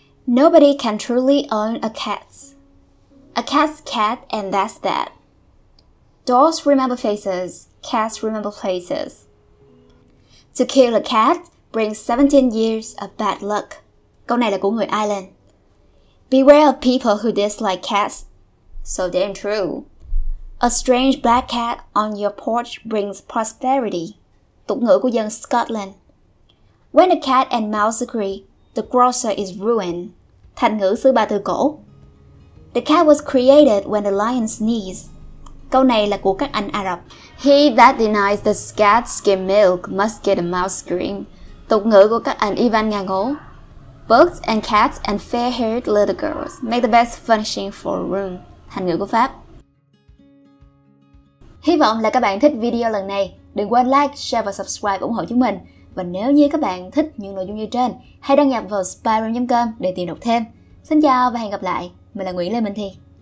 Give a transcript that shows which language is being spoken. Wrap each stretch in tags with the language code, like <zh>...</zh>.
<en>Nobody can truly own a cat. A cat's cat and that's that. Dogs remember faces, cats remember places. To kill a cat brings 17 years of bad luck.</en> <vi>Câu này là của người Ireland.</vi> <en>Beware of people who dislike cats. So damn true. A strange black cat on your porch brings prosperity.</en> <vi>Tục ngữ của dân Scotland.</vi> <en>When a cat and mouse agree, the grocer is ruined.</en> <vi>Thành ngữ xứ Ba Tư Cổ.</vi> <en>The cat was created when the lion sneezed.</en> <vi>Câu này là của các anh Ả Rập.</vi> <en>He that denies the cat skim milk must get a mouse scream.</en> <vi>Tục ngữ của các anh Ivan Nga Ngố.</vi> <en>Birds and cats and fair-haired little girls make the best furnishing for a room.</en> <vi>Thành ngữ của Pháp. Hy vọng là các bạn thích video lần này. Đừng quên like, share và subscribe ủng hộ chúng mình. Và nếu như các bạn thích những nội dung như trên, hãy đăng nhập vào spyroom.com để tìm đọc thêm. Xin chào và hẹn gặp lại. Mình là Nguyễn Lê Minh Thi.</vi>